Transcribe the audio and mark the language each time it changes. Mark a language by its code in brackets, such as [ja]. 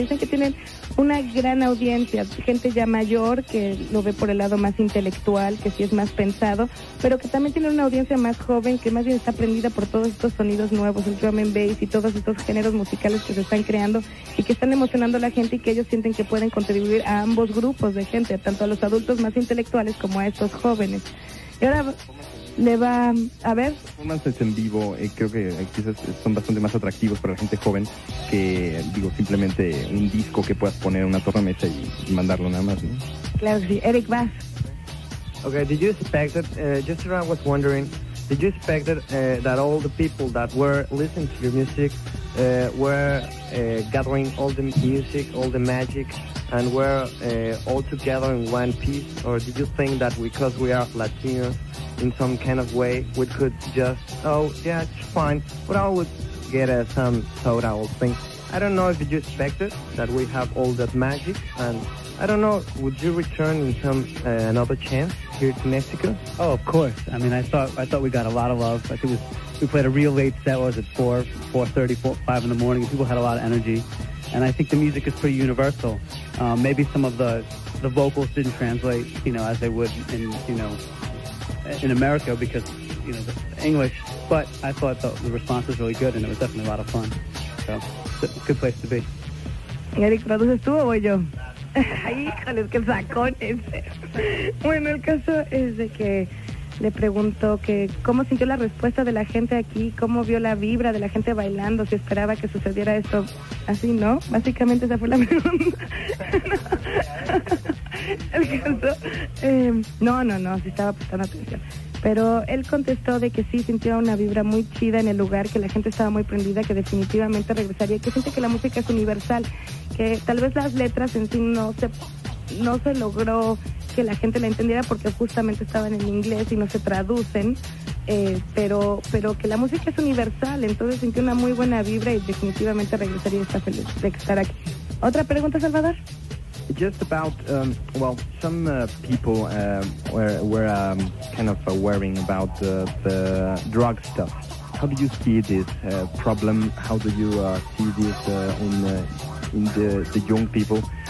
[es] Dicen que tienen una gran audiencia, gente ya mayor que lo ve por el lado más intelectual, que sí es más pensado, pero que también tienen una audiencia más joven que más bien está prendida por todos estos sonidos nuevos, el drum and bass y todos estos géneros musicales que se están creando y que están emocionando a la gente, y que ellos sienten que pueden contribuir a ambos grupos de gente, tanto a los adultos más intelectuales como a estos jóvenes. Y ahora le va a ver. Performances en vivo, creo que quizás son bastante más atractivos para la gente joven que, digo, simplemente un disco que puedas poner en una tornamesa y mandarlo nada más, ¿no? Claro, sí. Eric, va. [en] Okay, did you expect that, just around was wondering, did you expect that, that all the people that were listening to your music were gathering all the music, all the magic, and were all together in one piece? Or did you think that because we are Latinos, in some kind of way, we could just, oh, yeah, it's fine, but I would get some soda or thing. I don't know if you expected that we have all that magic, and I don't know, would you return in some another chance here to Mexico? Oh, of course. I mean, I thought we got a lot of love. Like, we played a real late set. What was it, 4:30, 5 in the morning? People had a lot of energy, and I think the music is pretty universal. Maybe some of the vocals didn't translate, you know, as they would in, you know, in America, because, you know, English, but I thought the response was really good, and it was definitely a lot of fun. So, good place to be. [es] Eric, ¿traduces tú o voy yo? Híjoles, qué sacones. Bueno, el caso es de que Le pregunto que cómo sintió la respuesta de la gente aquí, cómo vio la vibra de la gente bailando, si esperaba que sucediera esto así, ¿no? Básicamente esa fue la pregunta. El caso, no, sí estaba prestando atención. Pero él contestó de que sí, sintió una vibra muy chida en el lugar, que la gente estaba muy prendida, que definitivamente regresaría, que siente que la música es universal, que tal vez las letras en sí no se logró que la gente la entendiera porque justamente estaban en inglés y no se traducen, pero que la música es universal, entonces sintió una muy buena vibra y definitivamente regresaría y está feliz de estar aquí. ¿Otra pregunta, Salvador? [en] Just about, some people were kind of worrying about the drug stuff. How do you see this problem? How do you see this in the young people?